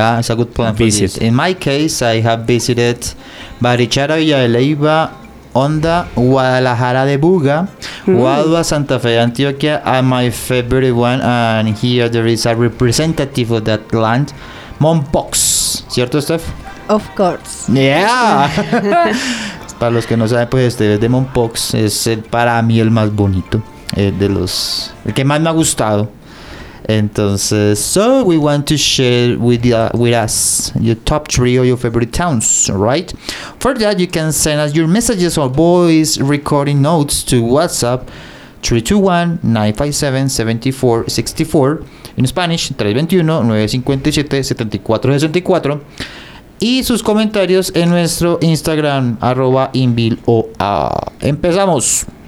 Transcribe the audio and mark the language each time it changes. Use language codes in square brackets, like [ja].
[en] Yeah, it's a good plan for this. In my case, I have visited Barichara, Villa de Leyva, Onda, Guadalajara de Buga, Guadua, Santa Fe, Antioquia, and my favorite one, and here there is a representative of that land, Mompox. [es] ¿Cierto, Steph? [en] Of course. Yeah. [es] Para los que no saben, pues este es de Mompox, es para mí el más bonito, el que más me ha gustado. Entonces, [en] so we want to share with us your top three or your favorite towns, right? For that, you can send us your messages or voice recording notes to WhatsApp 321-957-7464 in Spanish 321-957-7464 [es] y sus comentarios en nuestro Instagram @inbiloa. Empezamos.